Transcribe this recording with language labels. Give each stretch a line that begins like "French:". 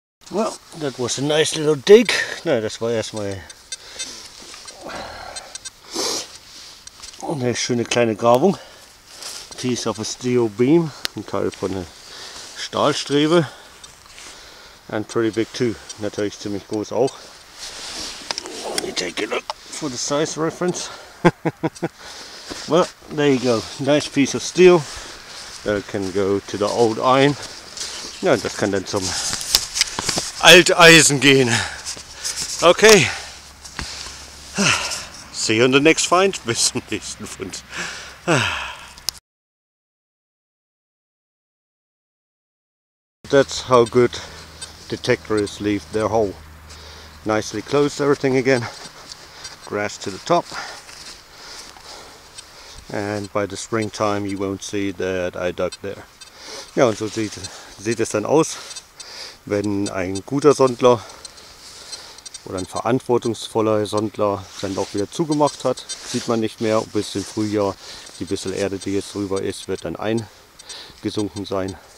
English: Well, that was a nice little dig.
German: No, das war erstmal eine schöne kleine Grabung.
English: Piece of a steel beam,
German: ein Teil von einer Stahlstrebe.
English: And pretty big too.
German: Natürlich ziemlich groß auch.
English: Let me take a look for the size reference. Well, there you go. Nice piece of steel. That can go to the old iron.
German: Ja, das kann dann zum Alteisen gehen. Okay.
English: See you on the next find.
German: Bis zum nächsten Fund.
English: That's how good detectors leave their hole. Nicely closed everything again. Grass to the top. And by the springtime you won't see that I dug there.
German: Ja, und so sieht es dann aus, wenn ein guter Sondler oder ein verantwortungsvoller Sondler sein Loch wieder zugemacht hat, sieht man nicht mehr, bis im Frühjahr die bisschen Erde, die jetzt drüber ist, wird dann eingesunken sein.